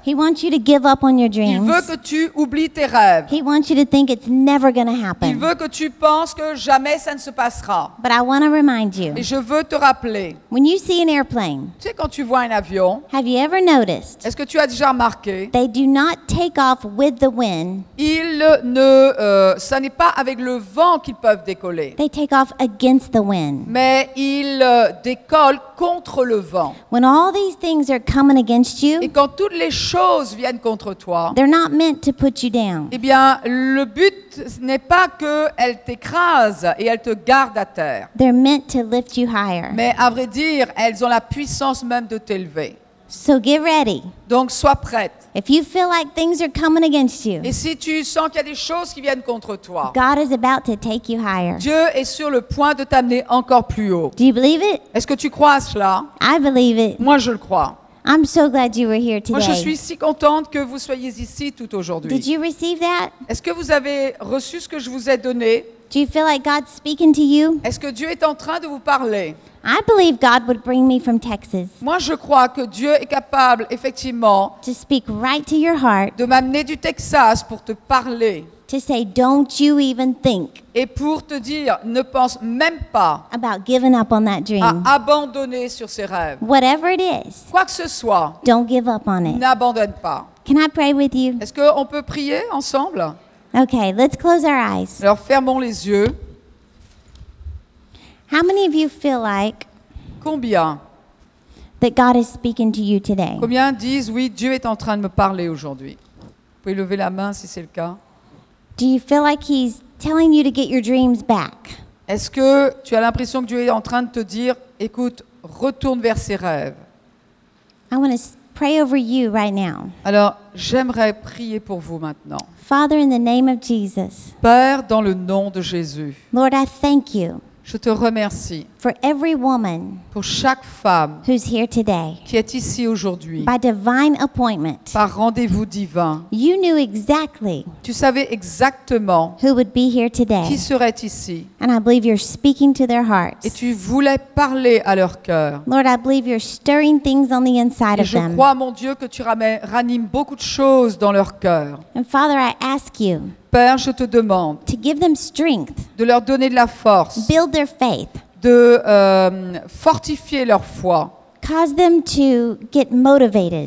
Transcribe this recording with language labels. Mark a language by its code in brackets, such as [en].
[en] He wants you to give up on your dreams. [fr] Il veut que tu oublies tes rêves. [en] He wants you to think it's never going to happen. [fr] Il veut que tu penses que jamais ça ne se passera. [en] But I want to remind you. [fr] Et je veux te rappeler. [en] When you see an airplane. [fr] Tu sais quand tu vois un avion? [en] Have you ever noticed? [fr] Est-ce que tu as déjà remarqué? [en] They do not take off with the wind. [fr] Ça n'est pas avec le vent qu'ils peuvent décoller. [en] They take off against the wind. [fr] Mais ils décollent contre le vent. [en] When all these things are coming against you, [fr] et quand toutes les choses viennent contre toi, [en] they're not meant to put you down. [fr] Eh bien, le but n'est pas qu'elles t'écrasent et elles te gardent à terre. [en] They're meant to lift you higher. [fr] Mais à vrai dire, elles ont la puissance même de t'élever. [en] So get ready. [fr] Donc sois prête. [en] If you feel like things are coming against you. [fr] Et si tu sens qu'il y a des choses qui viennent contre toi. [en] God is about to take you higher. [fr] Dieu est sur le point de t'amener encore plus haut. [en] Do you believe it? [fr] Est-ce que tu crois à cela? [en] I believe it. [fr] Moi je le crois. [en] I'm so glad you were here today. [fr] Moi je suis si contente que vous soyez ici tout aujourd'hui. [en] Did you receive that? [fr] Est-ce que vous avez reçu ce que je vous ai donné? [en] Do you feel like God's speaking to you? [fr] Est-ce que Dieu est en train de vous parler? [en] I believe God would bring me from Texas. [fr] Moi, je crois que Dieu est capable, effectivement, [en] to speak right to your heart, [fr] de m'amener du Texas pour te parler. [en] To say, don't you even think. [fr] Et pour te dire, ne pense même pas [en] about giving up on that dream. [fr] À abandonner sur ses rêves. [en] Whatever it is, [fr] quoi que ce soit, [en] don't give up on it. [fr] N'abandonne pas. [en] Can I pray with you? [fr] Est-ce qu'on peut prier ensemble? [en] Okay, let's close our eyes. [fr] Alors, fermons les yeux. [en] How many of you feel like [fr] combien [en] that God is speaking to you today? [fr] Combien disent oui, Dieu est en train de me parler aujourd'hui. Vous pouvez lever la main si c'est le cas. [en] Do you feel like He's telling you to get your dreams back? [fr] Est-ce que tu as l'impression que Dieu est en train de te dire, écoute, retourne vers ses rêves? [en] I want to pray over you right now. [fr] Alors, j'aimerais prier pour vous maintenant. [en] Father, in the name of Jesus. [fr] Père, dans le nom de Jésus. [en] Lord, I thank you. [fr] Je te remercie [en] for every woman [fr] pour chaque femme [en] who's here today [fr] qui est ici aujourd'hui [en] by divine appointment, [fr] par rendez-vous divin. [en] You knew exactly [fr] tu savais exactement [en] who would be here today, [fr] qui serait ici. [en] And I believe you're speaking to their hearts. [fr] Et tu voulais parler à leur cœur. [en] Lord, I believe you're stirring things on the inside of them. [fr] Et je crois, mon Dieu, que tu ranimes beaucoup de choses dans leur cœur. [en] And Father, I ask you [fr] Père, je te demande [en] to give them strength, [fr] de leur donner de la force, [en] build their faith, [fr] de fortifier leur foi, [en] cause them to get motivated,